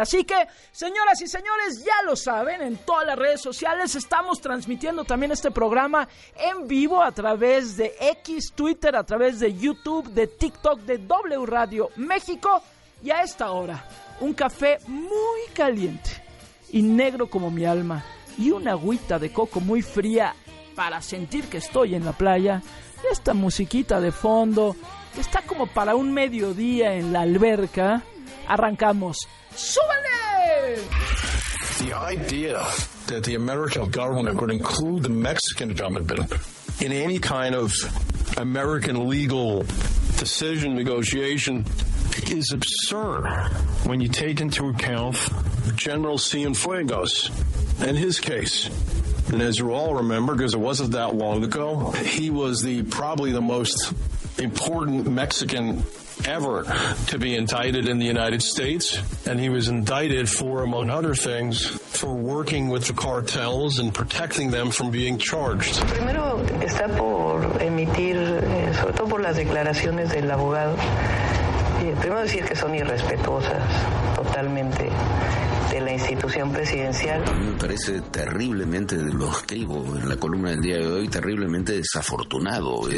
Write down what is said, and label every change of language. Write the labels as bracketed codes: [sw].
[es] Así que, señoras y señores, ya lo saben, en todas las redes sociales estamos transmitiendo también este programa en vivo a través de X, Twitter, a través de YouTube, de TikTok, de W Radio México, y a esta hora, un café muy caliente y negro como mi alma, y una agüita de coco muy fría para sentir que estoy en la playa. Esta musiquita de fondo está como para un mediodía en la alberca. Arrancamos. ¡Súbale! [en] The idea that the American government would include the Mexican government in any kind of American legal decision negotiation is absurd when you take into account General Cienfuegos and his case. And as you all remember, because it wasn't that long ago, he was probably the most important Mexican ever to be indicted in the United States. And he was indicted for, among other things, for working with the cartels and protecting them from being charged. [es] Primero está por emitir, sobre todo por las declaraciones del abogado, primero decir que son irrespetuosas totalmente. de la institución presidencial. A mí me parece terriblemente, lo escribo en la columna del día de hoy, terriblemente desafortunado.